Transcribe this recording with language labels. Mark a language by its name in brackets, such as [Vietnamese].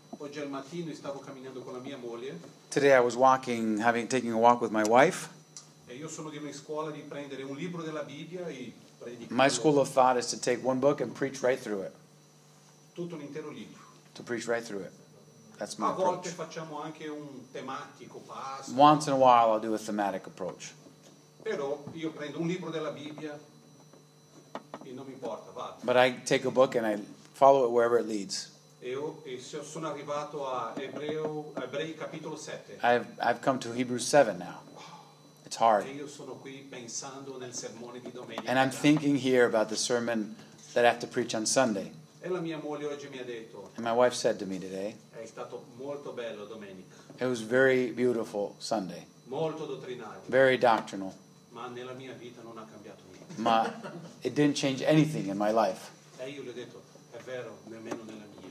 [Italian] Oggi al mattino stavo camminando con la mia moglie. [English] Today I was walking, taking a walk with my wife. [Italian] E io sono di una scuola di prendere un libro della Bibbia e predicare. [English] My school of thought is to take one book and preach right through it. [Italian] Tutto un intero libro. [English] To preach right through it. That's my approach. [Italian] A volte facciamo anche un tematico passo. [English] Once in a while I'll do a thematic approach. [Italian] Però io prendo un libro della Bibbia e non mi importa, vado. [English] But I take a book and I follow it wherever it leads. [Italian] E sono arrivato a Ebrei capitolo 7. [English] I've come to Hebrews 7 now. It's hard. [Italian] E io sono qui pensando nel sermone di domenica. [English] And I'm thinking here about the sermon that I have to preach on Sunday. [Italian] E la mia moglie oggi mi ha detto. [English] And my wife said to me today. [Italian] È stato molto bello domenica. [English] It was very beautiful Sunday. [Italian] Molto dottrinale. [English] Very doctrinal. [Italian] Ma nella mia vita non ha cambiato niente. [English] Ma it didn't change anything in my life. [Italian] E io le ho detto, è vero, nemmeno nella mia.